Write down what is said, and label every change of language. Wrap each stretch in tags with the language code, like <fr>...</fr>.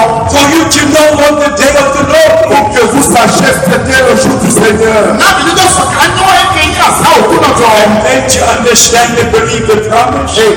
<en>For you to know what the day of the Lord.</en> <fr>Pour que vous sachiez ce qu'est le jour du Seigneur.</fr> <en>And then to understand and believe the promise.</en>